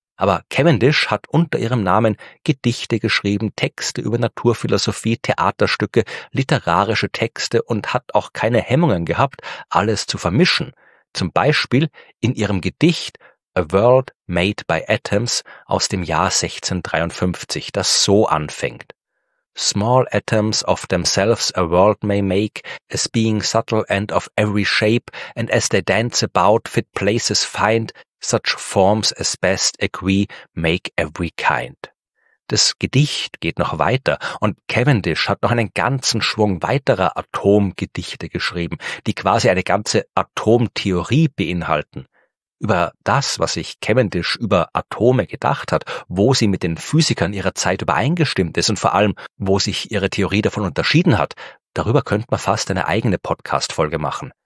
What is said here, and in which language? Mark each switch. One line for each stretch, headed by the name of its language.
German: Aber Cavendish hat unter ihrem Namen Gedichte geschrieben, Texte über Naturphilosophie, Theaterstücke, literarische Texte und hat auch keine Hemmungen gehabt, alles zu vermischen. Zum Beispiel in ihrem Gedicht A World Made by Atoms aus dem Jahr 1653, das so anfängt.
English: Small atoms of themselves a world may make, as being subtle and of every shape, and as they dance about, fit places find, such forms as best agree, make every kind.
German: Das Gedicht geht noch weiter, und Cavendish hat noch einen ganzen Schwung weiterer Atomgedichte geschrieben, die quasi eine ganze Atomtheorie beinhalten. Über das, was sich Cavendish über Atome gedacht hat, wo sie mit den Physikern ihrer Zeit übereingestimmt ist und vor allem, wo sich ihre Theorie davon unterschieden hat, darüber könnte man fast eine eigene Podcast-Folge machen.